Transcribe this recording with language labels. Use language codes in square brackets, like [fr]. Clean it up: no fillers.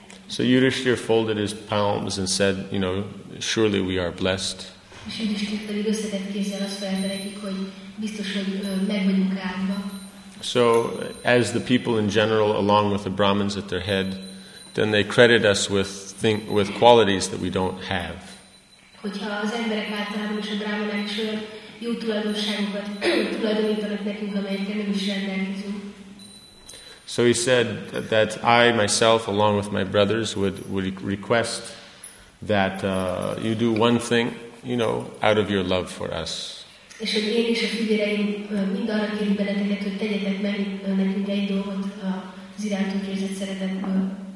[en] So Yudhishthir folded his palms and said, you know, surely we are blessed. So as the people in general, along with the Brahmins at their head, then they credit us with qualities that we don't have. [hu] Hogyha az emberek általában és a brámanák is olyan jó tulajdonságokat tulajdonítanak nekünk, amelyeket nem is rendelkezünk. [en] So he said that I myself, along with my brothers, would request that you do one thing, you know, out of your love for us. [hu] És hogy én is a fügyéreim mind arra kérünk benneteket, hogy tegyetek meg nekünk egy dolgot az irántunk érzett szeretetből.